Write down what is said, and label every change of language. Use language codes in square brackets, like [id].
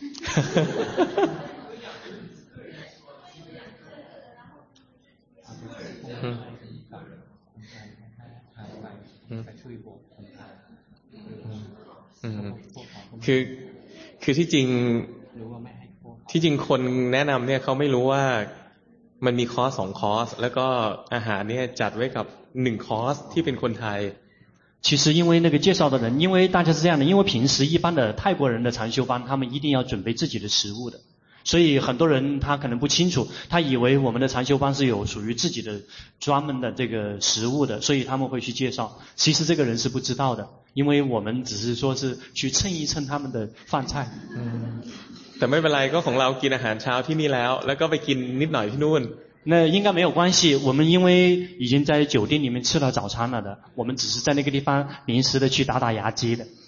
[th] คือที่จริงคนแนะนำเนี่ยเขาไม่รู้ว่ามันมีคอร์สสองคอร์สแล้วก็อาหารเนี่ยจัดไว้กับหนึ่งคอร์สที่เป็นคนไทย [zh] 其实因为那个介绍的人因为大家是这样的因为平时一般的泰国人的禅修班他们一定要准备自己的食物的所以很多人他可能不清楚他以为我们的禅修班是有属于自己的专门的这个食物的所以他们会去介绍其实这个人是不知道的因为我们只是说是去蹭一蹭他们的饭菜。 [th] 嗯。แต่ไม่เป็นไรก็ของเรากินอาหารเช้าที่นี่แล้วแล้วก็ไปกินนิดหน่อยที่นู่น。 [zh] 那应该没有关系，我们因为已经在酒店里面吃了早餐了的，我们只是在那个地方临时的去打打牙祭的。